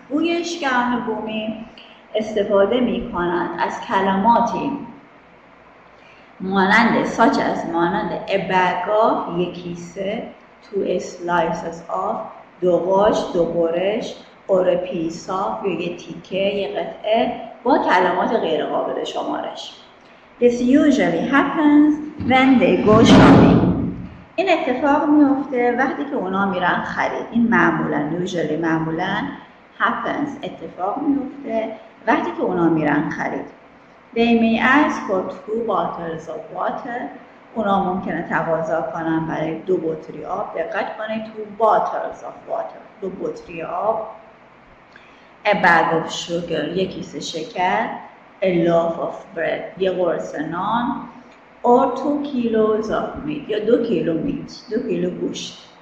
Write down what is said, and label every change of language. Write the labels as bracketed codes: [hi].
[fa] گویشگران بومی استفاده می کنند از کلماتی مانند [en] such as, [fa] مانند [en] a bag of, [fa] یکیسه, [en] two slices of, [fa] دو قاش, دو برش, [en] or a piece of, [fa] یا یه تیکه, یه قطعه, با کلمات غیر قابل شمارش. [en] This usually happens when they go shopping. [fa] این اتفاق میفته وقتی که اونا میرن خرید. این معمولاً, [en] usually [fa] معمولاً, [en] happens, [fa] اتفاق میفته وقتی که اونا میرن خرید. [en] They may ask for two bottles of water. [fa] اونا ممکنه تقاضا کنن برای دو بطری آب. دقت کنید, [en] two bottles of water, [fa] دو بطری آب. [en] A bag of sugar, [fa] یک کیسه شکر. [en] A loaf of bread, [fa] یه قرص نان. [en] Or 2 kilos of meat, یا 2 kilo meat, 2 kilo [fa] گوشت.